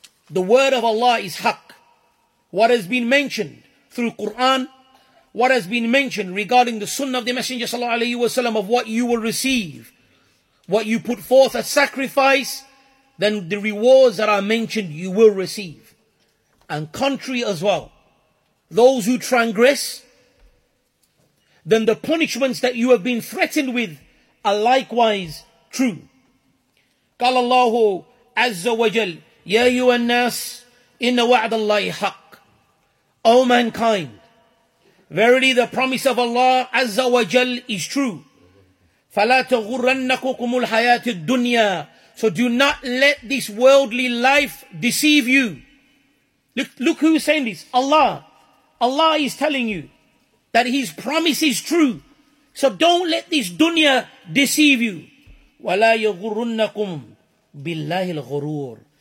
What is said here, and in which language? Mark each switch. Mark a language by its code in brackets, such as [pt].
[en] The word of Allah is haqq. What has been mentioned through Quran, what has been mentioned regarding the sunnah of the Messenger sallallahu alayhi wa sallam, of what you will receive, what you put forth as sacrifice, then the rewards that are mentioned you will receive. And contrary as well, those who transgress, then the punishments that you have been threatened with are likewise true. [ar] قال الله عز وجل يا أيها الناس إن وعد الله حق. [en] O mankind, verily the promise of Allah عز وجل is true. [ar] فلا تغرنككم الحياة الدنيا. [en] So do not let this worldly life deceive you. Look who is saying this. Allah. Allah is telling you that His promise is true. So don't let this dunya deceive you. [ar] وَلَا يَغُرُّنَّكُمْ بِاللَّهِ الْغُرُورِ.